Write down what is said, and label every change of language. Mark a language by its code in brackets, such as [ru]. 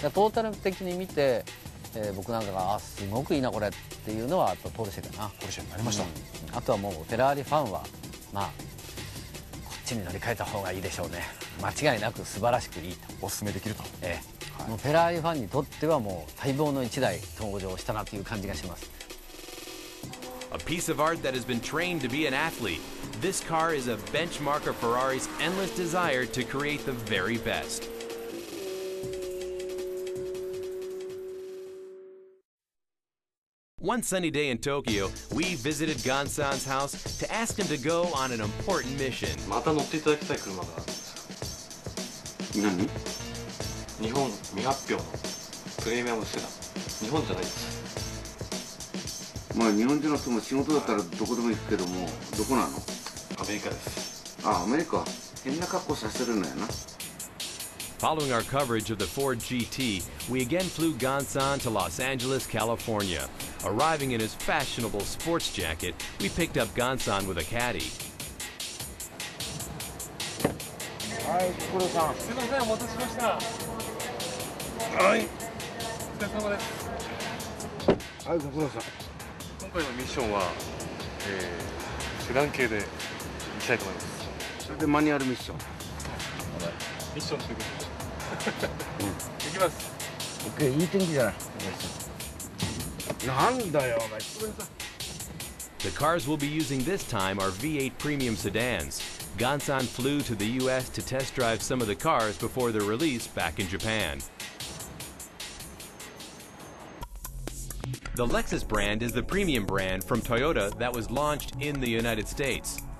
[ja] トータル的に見て、僕なんかがあすごくいいなこれっていうのはやっぱポルシェかな。ポルシェになりました、うん、あとはもうフェラーリファンはまあこっちに乗り換えた方がいいでしょうね。間違いなく素晴らしくいいと、おすすめできると、はい、もうフェラーリファンにとってはもう待望の一台登場したなという感じがします。 [en] A piece of art that has been trained to be an athlete. This car is a benchmark of Ferrari's endless desire to create the very best. One sunny day in Tokyo, we visited Gansan's house to ask him to go on an important mission. [ja] また乗っていただきたい車があるんですよ。何？日本未発表のプレミアムセダン。日本じゃないです。まあ日本人の人も仕事だったらどこでも行くけども、どこなの？アメリカです。あ、アメリカ。変な格好させるのやな。 [en] Following our coverage of the Ford GT, we again flew Gansan to Los Angeles, California. Arriving in his fashionable sports jacket, we picked up Gansan with a caddy. [ja] はい、ご苦労さん。すいません、お待たせしました。はい。お疲れ様です。はい、ご苦労さん。今回のミッションは、セダン系で行きたいと思います。それでマニュアルミッション。はい、ミッションすること。行きます。オッケー、いい天気じゃない。なんだよ、お前。ごめんなさい。 [en] The cars we'll be using this time are V8 premium sedans. Gansan flew to the U.S. to test drive some of the cars before their release back in Japan. The Lexus brand is the premium brand from Toyota that was launched in the United States.